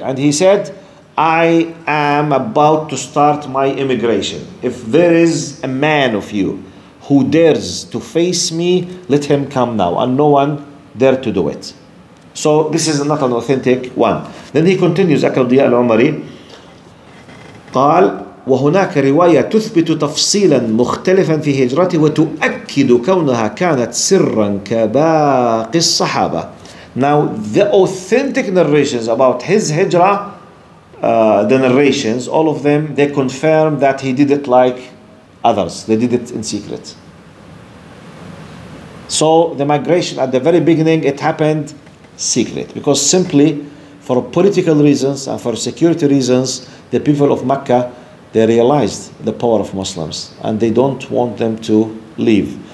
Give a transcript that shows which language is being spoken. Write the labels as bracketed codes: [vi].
[en] And he said, I am about to start my immigration. If there is a man of you who dares to face me, let him come now. And no one dared to do it. So this is not an authentic one. Then he continues, Akram Diya al-Umari. [ar] قال وهناك رواية تثبت تفصيلا مختلفا في هجرته وتؤكد كونها كانت سرا كباقي الصحابة. [en] Now the authentic narrations about his hijrah, the narrations, all of them, they confirm that he did it like others. They did it in secret. So the migration at the very beginning, it happened secret because simply for political reasons and for security reasons, the people of Mecca, they realized the power of Muslims and they don't want them to leave.